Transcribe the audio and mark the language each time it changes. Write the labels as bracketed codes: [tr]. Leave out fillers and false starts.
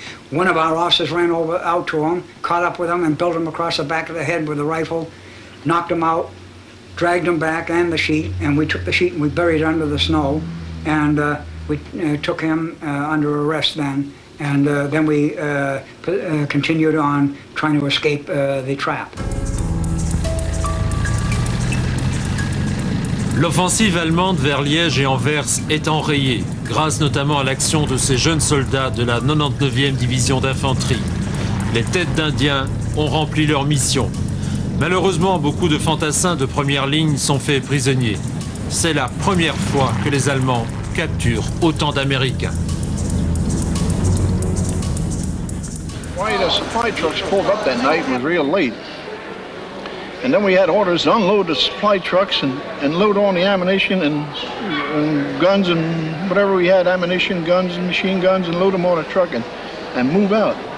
[en] One of our officers ran over out to him, caught up with him, and belted him across the back of the head with a rifle, knocked him out, dragged him back and the sheet, and we took the sheet and we buried it under the snow, and we took him under arrest then. And then we continued on trying to escape the trap. [fr] L'offensive allemande vers Liège et Anvers est enrayée, grâce notamment à l'action de ces jeunes soldats de la 99e division d'infanterie. Les têtes d'Indiens ont rempli leur mission. Malheureusement, beaucoup de fantassins de première ligne sont faits prisonniers. C'est la première fois que les Allemands capturent autant d'Américains. [en] Why the supply trucks pulled up that night was real late. And then we had orders to unload the supply trucks and load on the ammunition and guns and whatever we had, ammunition, guns and machine guns, and load them on a truck and move out.